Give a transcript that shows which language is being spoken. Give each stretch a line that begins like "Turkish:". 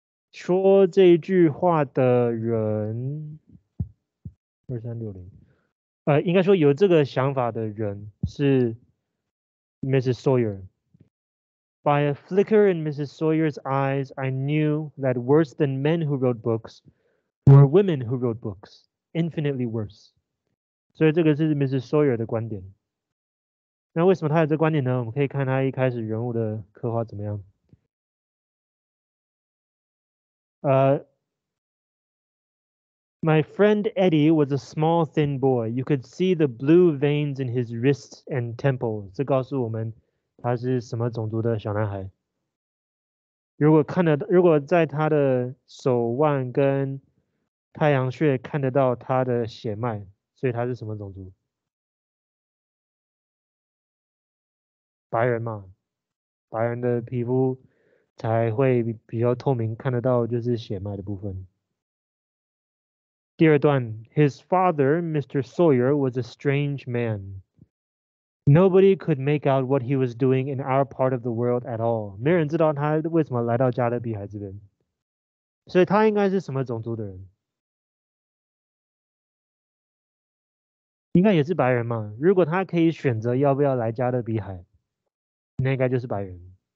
Chinese: 说这句话的人，2360，应该说有这个想法的人是 Mrs.
English: Sawyer。 By a flicker in Mrs. Sawyer's eyes, I knew that worse than men who wrote books were women who wrote books, infinitely worse.
Chinese: 所以这个是 Mrs. Sawyer 的观点。那为什么他有这个观点呢？我们可以看他一开始人物的刻画怎么样。
English: My friend Eddie was a small, thin boy. You could see the blue veins in his wrists and temples.
Chinese: 这告诉我们他是什么种族的小男孩。如果在他的手腕跟太阳穴看得到他的血脉，所以他是什么种族？白人嘛，白人的皮肤才会比较透明，看得到就是血脉的部分。第二段
English: ，His father, Mr. Sawyer, was a strange man. Nobody could make out what he was doing in our part of the world at all.
Chinese: 没人知道他为什么来到加勒比海这边。所以他应该是什么种族的人？应该也是白人嘛。如果他可以选择要不要来加勒比海，那应该就是白人。